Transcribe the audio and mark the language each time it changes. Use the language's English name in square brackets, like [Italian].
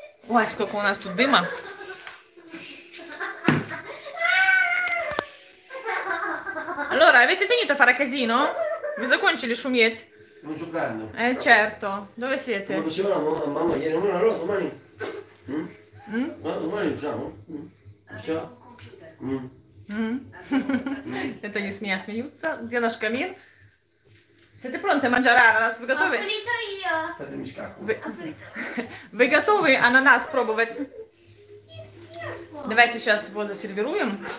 [Russian] Ой, сколько у нас тут дыма. [Italian] Allora, avete finito a fare casino? [Russian] Вы закончили шуметь? [Italian] Sto giocando. Certo. Dove siete? Come faceva la mamma ieri? Non era domani? Domani usiamo? Computer. [Russian] Это не смея смеются. Где наш камин? [Italian] Siete pronti a mangiare ananas? [Russian] Вы готовы? [Italian] Ho pulito io. [Russian] Вы готовы ананас пробовать? Давайте сейчас его засервируем.